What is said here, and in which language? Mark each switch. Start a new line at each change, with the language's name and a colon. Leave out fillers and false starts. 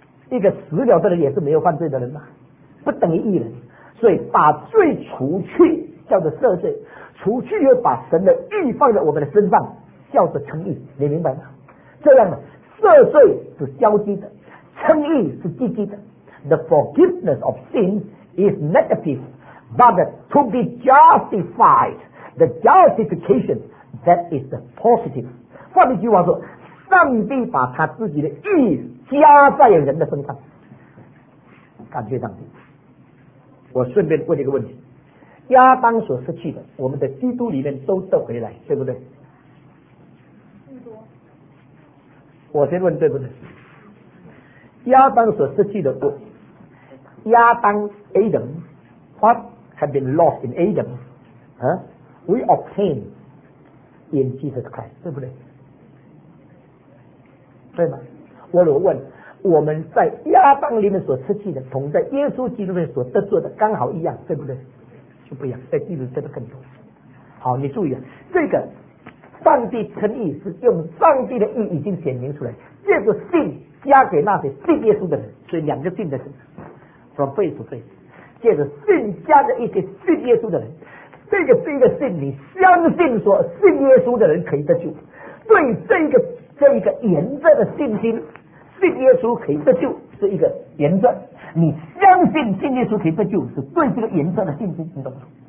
Chinese: 一个死了的人也是没有犯罪的人嘛，不等于义人。所以把罪除去叫做赦罪，除去又把神的义放在我们的身上叫做称义，你明白吗？这样呢，赦罪是消极的，称义是积极的。
English: The forgiveness of sin is negative, but to be justified, the justification, that is the positive.
Chinese: 换一句话说，上帝把他自己的义加在人的身上。感谢上帝。我顺便问一个问题，亚当所失去的我们的基督里面都得回来，对不对？我先问对不对，亚当所失去的，亚当
English: Adam what had been lost in Adam、we obtain in Jesus Christ,
Chinese: 对不对？对吗？我如果问我们在亚当里面所失去的同在耶稣基督里面所得做的刚好一样，对不对？就不一样，在基督得的更多。好，你注意了，这个上帝称义是用上帝的义已经显明出来，这个信加给那些信耶稣的人，所以两个信的人
English: from faith to faith,
Chinese: 这个信加给一些信耶稣的人，这个是一个信，你相信说信耶稣的人可以得救，对这个沿着的信心，信耶稣可以得救是一个沿着，你相信信耶稣可以得救是对这个沿着的信心，你懂不懂？